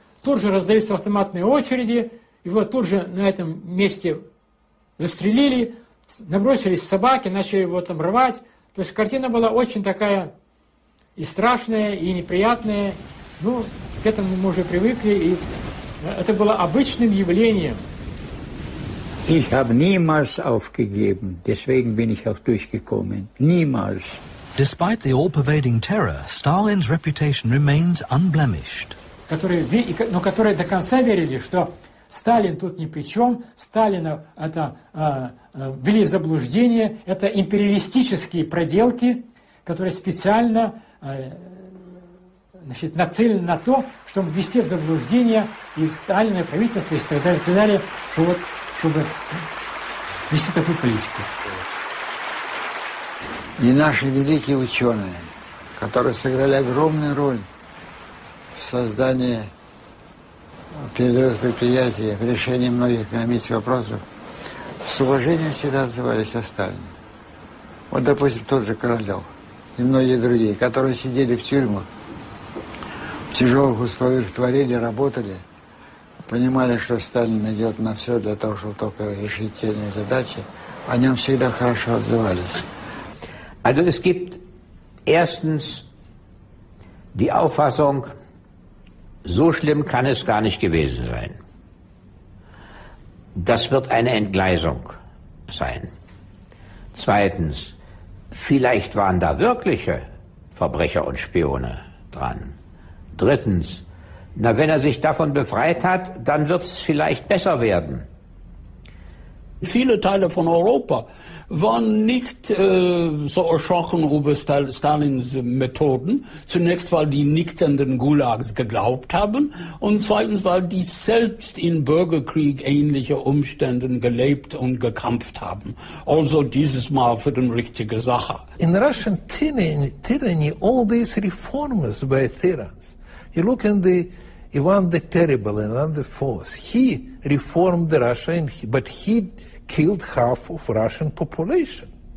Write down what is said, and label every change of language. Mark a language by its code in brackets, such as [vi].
[ru] Тут же раздались автоматные очереди, его тут же на этом месте застрелили, набросились собаки, начали его там рвать. То есть картина была очень такая и страшная, и неприятная. Ну, к этому мы уже привыкли, и это было обычным явлением. [de] Ich habe niemals aufgegeben, deswegen bin ich auch durchgekommen. Niemals. [en] Despite the all-pervading terror, Stalin's reputation remains unblemished. [ru] Но которые до конца верили, что Сталин тут ни при чем, Сталина это ввели в заблуждение, это империалистические проделки, которые специально значит, нацелены на то, чтобы ввести в заблуждение и Сталина, и правительство, и так далее, что вот, чтобы вести такую политику. И наши великие ученые, которые сыграли огромную роль в создании передовых предприятий, в решении многих экономических вопросов, с уважением всегда отзывались о Сталине. Вот, допустим, тот же Королев и многие другие, которые сидели в тюрьмах, в тяжелых условиях творили, работали, понимали, что Сталин идет на все для того, чтобы только решить те или иные задачи, о нем всегда хорошо отзывались. [de] Also es gibt erstens die Auffassung, so schlimm kann es gar nicht gewesen sein. Das wird eine Entgleisung sein. Zweitens, vielleicht waren da wirkliche Verbrecher und Spione dran. Drittens, na wenn er sich davon befreit hat, dann wird es vielleicht besser werden. Viele Teile von Europa waren nicht so erschrocken über Stalins Methoden. Zunächst, weil die nicht an den Gulags geglaubt haben und zweitens, weil die selbst in Bürgerkrieg ähnliche Umständen gelebt und gekämpft haben. Also dieses Mal für die richtige Sache. [en] In Russian tyranny, all these reforms by tyrants, you look in the Ivan the Terrible and other force, he reformed the Russia, but he killed half of Russian population.